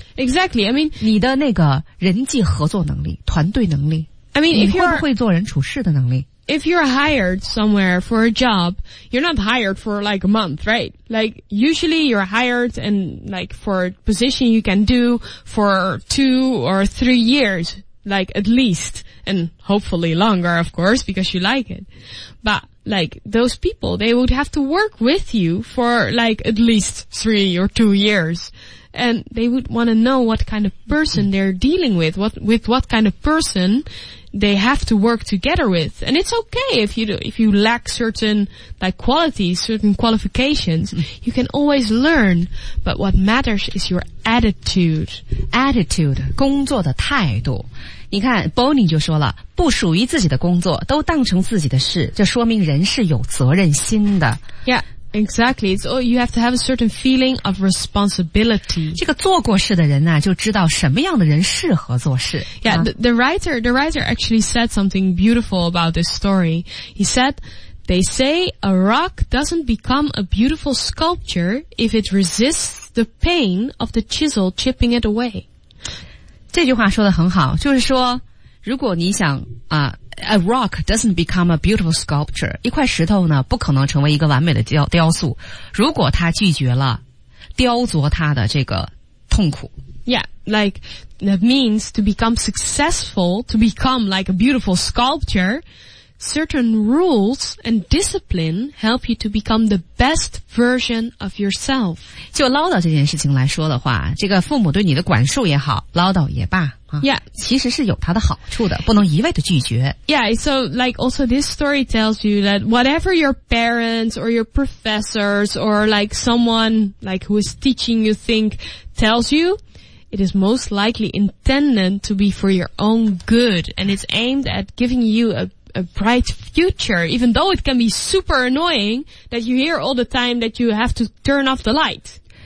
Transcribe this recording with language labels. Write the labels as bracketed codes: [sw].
[en] Exactly. I mean, [zh] 你的那个人际合作能力、团队能力。 [en] I mean, [zh] 你会不会做人处事的能力？ [en] If you're hired somewhere for a job, you're not hired for like a month, right? Like usually you're hired and like for a position you can do for 2 or 3 years, like at least, and hopefully longer, of course, because you like it. But like those people, they would have to work with you for like at least 3 or 2 years. And they would want to know what kind of person they're dealing with, what kind of person they have to work together with. And it's okay if you lack certain, like, qualities, certain qualifications, you can always learn. But what matters is your attitude. [zh] Attitude, 工作的态度。你看 ,Bonnie 就说了，不属于自己的工作都当成自己的事，这说明人是有责任心的。 [en] Yeah. Exactly. So you have to have a certain feeling of responsibility. [zh] 这个做过事的人啊，就知道什么样的人适合做事。 [en] Yeah, the writer actually said something beautiful about this story. He said, they say a rock doesn't become a beautiful sculpture if it resists the pain of the chisel chipping it away. [zh] 这句话说得很好，就是说，如果你想啊， [en] A rock doesn't become a beautiful sculpture. [zh] 一块石头呢，不可能成为一个完美的雕塑，如果它拒绝了雕琢它的这个痛苦。 [en] Yeah, like that means to become successful, to become like a beautiful sculpture, certain rules and discipline help you to become the best version of yourself. [zh] 就唠叨这件事情来说的话，这个父母对你的管束也好，唠叨也罢。 [en] Yeah, [zh] 其实是有它的好处的，不能一味的拒绝。 [en] Yeah, so like also this story tells you that whatever your parents or your professors or like someone like who is teaching you think tells you, it is most likely intended to be for your own good and it's aimed at giving you a bright future, even though it can be super annoying that you hear all the time that you have to turn off the light.